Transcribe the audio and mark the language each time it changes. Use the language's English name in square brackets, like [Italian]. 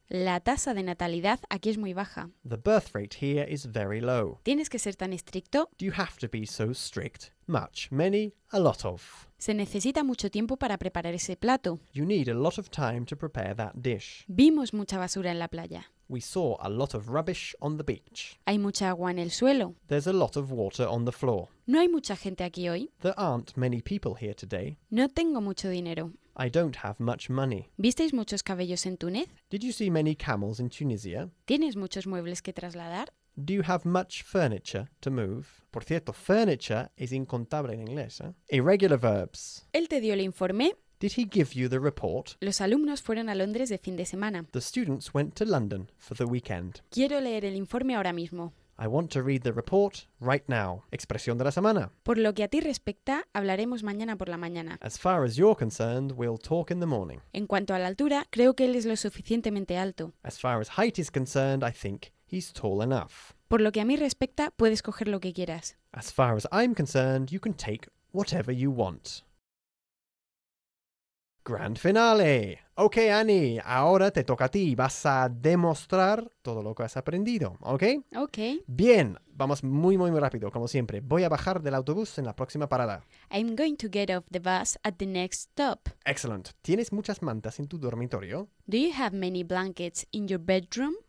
[Spanish] La tasa de natalidad aquí es muy baja. [English] The birth rate here is very low. [Spanish] ¿Tienes que ser tan estricto? [English] Do you have to be so strict? Much, many, a lot of. [Spanish] Se necesita mucho tiempo para preparar ese plato. [English] You need a lot of time to prepare that dish. [Spanish] Vimos mucha basura en la playa. [English] We saw a lot of rubbish on the beach. [Spanish] Hay mucha agua en el suelo. [English] There's a lot of water on the floor. [Spanish] No hay mucha gente aquí hoy. [English] There aren't many people here today. [Spanish] No tengo mucho dinero. [English] I don't have much money. [Spanish] ¿Visteis muchos cabellos en Túnez? [English] Did you see many camels in Tunisia? [Spanish] ¿Tienes muchos muebles que trasladar? [English] Do you have much furniture to move? [Spanish] Por cierto, furniture is incontable en inglés, ¿eh? [English] Irregular verbs. [Spanish] ¿Él te dio el informe? [English] Did he give you the report? [Spanish] Los alumnos fueron a Londres de fin de semana. [English] The students went to London for the weekend. [Spanish] Quiero leer el informe ahora mismo. [English] I want to read the report right now. [Spanish] Expresión de la semana. Por lo que a ti respecta, hablaremos mañana por la mañana. [English] As far as you're concerned, we'll talk in the morning. [Spanish] En cuanto a la altura, creo que él es lo suficientemente alto. [English] As far as height is concerned, I think he's tall enough. [Spanish] Por lo que a mí respecta, puedes coger lo que quieras. [English] As far as I'm concerned, you can take whatever you want. Grand finale. [Spanish] Ok, Annie, ahora te toca a ti. Vas a demostrar todo lo que has aprendido, ¿ok? Ok. Bien, vamos muy, muy, muy rápido, como siempre. Voy a bajar del autobús en la próxima parada. [English] I'm going to get off the bus at the next stop. Excellent. [Spanish] ¿Tienes muchas mantas en tu dormitorio? [English] Do you have many blankets in your bedroom?